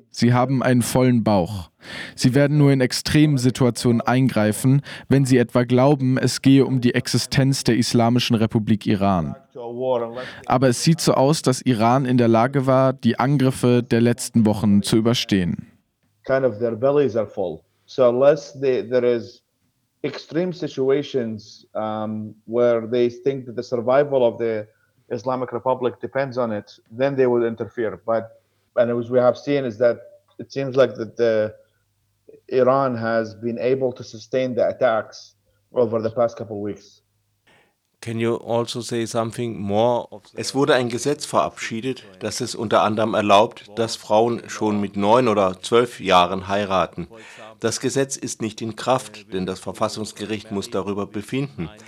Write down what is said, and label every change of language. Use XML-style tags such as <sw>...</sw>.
<de>Sie haben einen vollen Bauch. Sie werden nur in extremen Situationen eingreifen, wenn sie etwa glauben, es gehe um die Existenz der Islamischen Republik Iran. Aber es sieht so aus, dass Iran in der Lage war, die Angriffe der letzten Wochen zu überstehen.</de> <en>Kind of their bellies are full. So unless there is extreme situations where they think that the survival of the Islamic Republic depends on it, then they will interfere. But and as we have seen is that it seems like that the Iran has been able to sustain the attacks over the past couple of weeks. Can you also say something more?</en> <de>Es wurde ein Gesetz verabschiedet, das es unter anderem erlaubt, dass Frauen schon mit 9 oder 12 Jahren heiraten. Das Gesetz ist nicht in Kraft, denn das Verfassungsgericht muss darüber befinden.</de>